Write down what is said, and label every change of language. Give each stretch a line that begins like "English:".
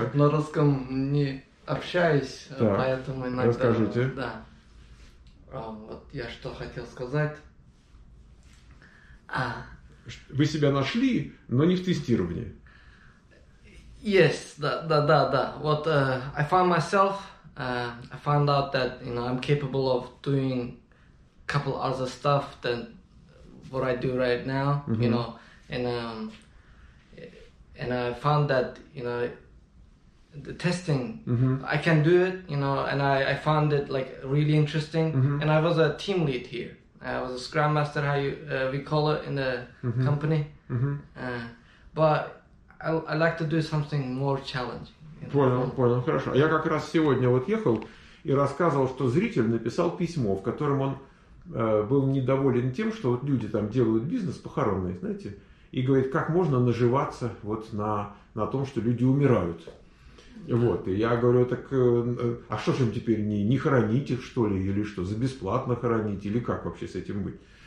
Russian: На русском не общаюсь, поэтому иногда. Расскажите. Да. Вот я что хотел сказать. Вы себя нашли, но не в тестировании.
English: Yes,
Russian: да. Вот
English: I found myself. I found out that you know I'm capable of doing a couple other stuff than what I do right now. Mm-hmm. You know, and I found that you know the testing I can do it. You know, and I found it like really interesting. Mm-hmm. And I was a team lead here. I was a scrum master, how you we call it in the company. But I like to do something more challenging.
Russian: Понял, хорошо. Я как раз сегодня вот ехал и рассказывал, что зритель написал письмо, в котором он был недоволен тем, что вот люди там делают бизнес похоронный, знаете, и говорит, как можно наживаться вот на том, что люди умирают. Вот, и я говорю, так, а что же им теперь, не хоронить их, что ли, или что, за бесплатно хоронить, или как вообще с этим быть?